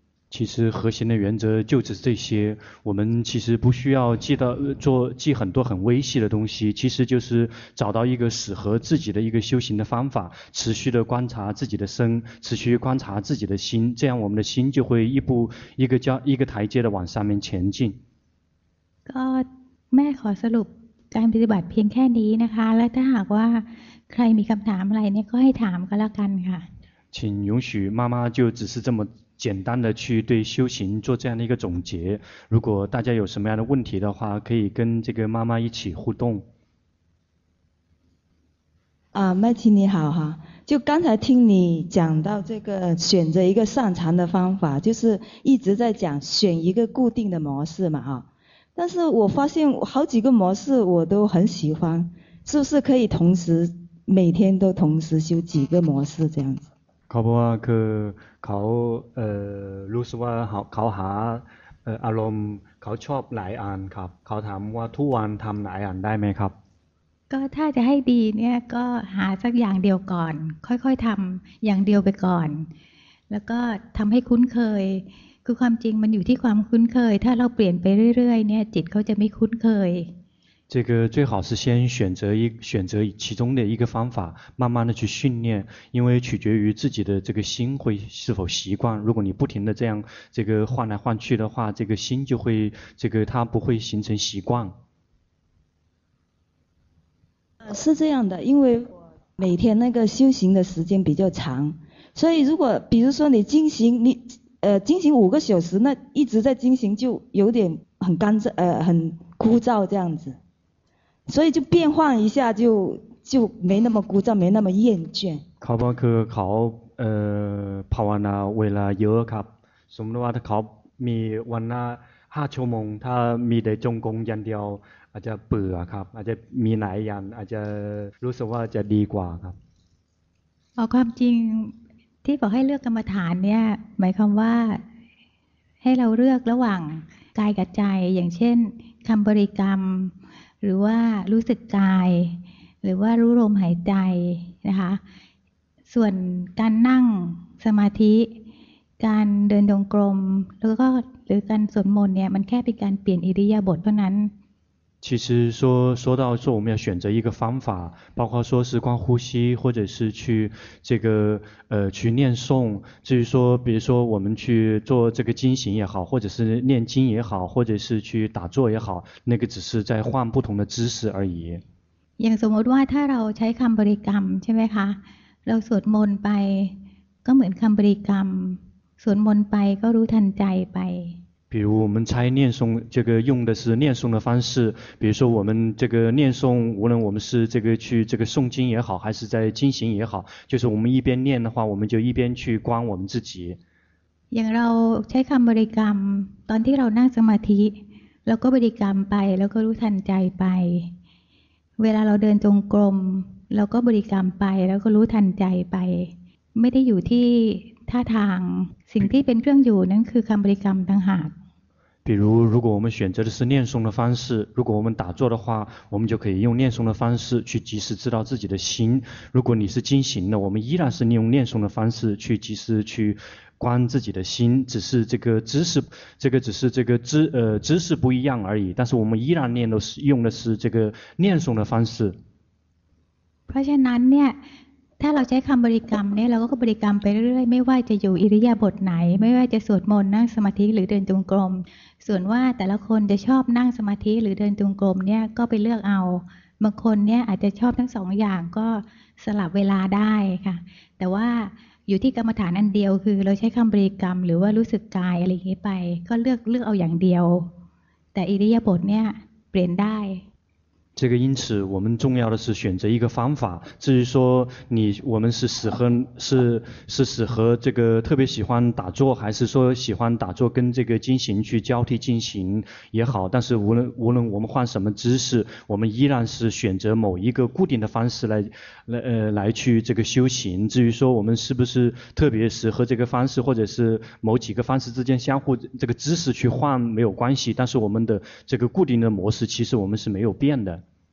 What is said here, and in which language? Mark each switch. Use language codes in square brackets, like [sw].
[zh] 其实核心的原则就只是这些，我们其实不需要记到做记很多很微细的东西，其实就是找到一个适合自己的一个修行的方法，持续的观察自己的身，持续观察自己的心，这样我们的心就会一步一个交一个台阶的往上面前进。 [th] ก็แม่ขอสรุปการปฏิบัติเพียงแค่นี้นะคะและถ้าหากว่าใครมีคำถามอะไรเนี่ยก็ให้ถามก็แล้วกันค่ะ [zh] 请允许妈妈就只是这么简单的去对修行做这样的一个总结，如果大家有什么样的问题的话，可以跟这个妈妈一起互动。啊，麦琪你好哈，就刚才听你讲到这个选择一个擅长的方法，就是一直在讲选一个固定的模式嘛哈，但是我发现好几个模式我都很喜欢，是不是可以同时每天都同时修几个模式这样子？ [th] เขาบอกว่าคือเขารู้สึกว่าเขาหา อารมณ์เขาชอบหลายอันครับเขาถามว่าทุกวันทำหลายอันได้ไหมครับ ก็ถ้าจะให้ดีเนี่ยก็หาสักอย่างเดียวก่อนค่อยๆทำอย่างเดียวไปก่อนแล้วก็ทำให้คุ้นเคยคือความจริงมันอยู่ที่ความคุ้นเคยถ้าเราเปลี่ยนไปเรื่อยๆเนี่ยจิตเขาจะไม่คุ้นเคย [zh] 这个最好是先选择一选择其中的一个方法，慢慢的去训练，因为取决于自己的这个心会是否习惯。如果你不停的这样这个换来换去的话，这个心就会这个它不会形成习惯。是这样的，因为每天那个修行的时间比较长，所以如果比如说你进行你进行五个小时，那一直在进行就有点很干燥很枯燥这样子。所以就变换一下就没那么枯燥没那么厌倦 [th] เขาบอกคือเขาภาวนาเวลาเยอะครับสมมติว่าถ้าเขามีวันละห้าชั่วโมงถ้ามีแต่จงกรมอย่างเดียวอาจจะเบื่อครับอาจจะมีหลายอย่างอาจจะรู้สึกว่าจะดีกว่าครับ เอาความจริงที่บอกให้เลือกกรรมฐานเนี่ยหมายความว่าให้เราเลือกระหว่างกายกับใจอย่างเช่นคำบริกรรมหรือว่ารู้สึกกายหรือว่ารู้ลมหายใจนะคะส่วนการนั่งสมาธิการเดินจงกรมแล้วก็หรือการสวดมนต์เนี่ยมันแค่เป็นการเปลี่ยนอิริยาบถเท่านั้น [zh] 其实说到说我们要选择一个方法，包括说是光呼吸，或者是去这个去念诵。至于说，比如说我们去做这个经行也好，或者是念经也好，或者是去打坐也好，那个只是在换不同的姿势而已。 [th] อย่างสมมติว่าถ้าเราใช้คำบริกรรมใช่ไหมคะเราสวดมนต์ไปก็เหมือนคำบริกรรมสวดมนต์ไปก็รู้ทันใจไป [zh] 比如我们猜念诵这个用的是念诵的方式比如说我们这个念诵无论我们是这个去这个诵经也好还是在经行也好就是我们一边念的话我们就一边去观我们自己 [th] อย่างเราใช้คำบริกรรมตอนที่เรานั่งสมาธิเราก็บริกรรมไปแล้วก็รู้ทันใจไปเวลาเราเดินจงกรมเราก็บริกรรมไปแล้วก็รู้ทันใจไปไม่ได้อยู่ที่ท่าทางสิ่งที่เป็นเครื่องอยู่นั้นคือคำบริกรรมต่างหาก [zh] 比如如果我们选择的是念诵的方式如果我们打坐的话我们就可以用念诵的方式去及时知道自己的心如果你是进行的我们依然是利用念诵的方式去及时去观自己的心只是这个知识这个只是这个知识不一样而已但是我们依然念的是用的是这个念诵的方式 [th] เพราะฉะนั้นเนี่ยถ้าเราใช้คำบริกรรมเนี่ยเราก็บริกรรมไปเรื่อยๆไม่ว่าจะอยู่อิริยาบถไหนไม่ว่าจะสวดมนต์นั่งสมาธิหรือเดินจงกรมส่วนว่าแต่ละคนจะชอบนั่งสมาธิหรือเดินจงกรมเนี่ยก็ไปเลือกเอาบางคนเนี่ยอาจจะชอบทั้งสองอย่างก็สลับเวลาได้ค่ะแต่ว่าอยู่ที่กรรมฐานอันเดียวคือเราใช้คำบริกรรมหรือว่ารู้สึกกายอะไรอย่างนี้ไปก็เลือกเอาอย่างเดียวแต่อิริยาบถเนี่ยเปลี่ยนได้ [zh] 这个因此我们重要的是选择一个方法至于说你我们是适合是适合这个特别喜欢打坐还是说喜欢打坐跟这个经行去交替进行也好但是无论我们换什么姿势我们依然是选择某一个固定的方式来去这个修行至于说我们是不是特别适合这个方式或者是某几个方式之间相互这个姿势去换没有关系但是我们的这个固定的模式其实我们是没有变的